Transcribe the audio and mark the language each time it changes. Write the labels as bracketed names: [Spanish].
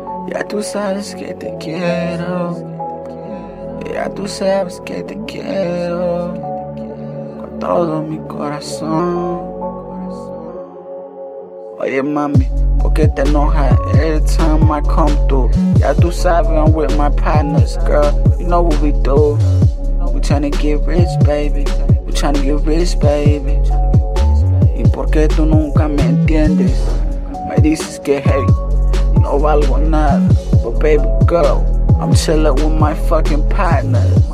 [English] Yeah, I do sound scared to get up. [Spanish] Yeah, tú sabes que te quiero con todo mi corazón. Oye, mami, ¿por qué te enojas [English] every time I come through? Yeah, [Spanish] tú sabes [English] I'm with my partners, girl. You know what we do. We tryna get rich, baby. We tryna get rich, baby. [Spanish] ¿Y por qué tú nunca me entiendes? Me dices que, hey, no valgo nada. [English] But baby, girl, I'm chillin' with my fucking partner.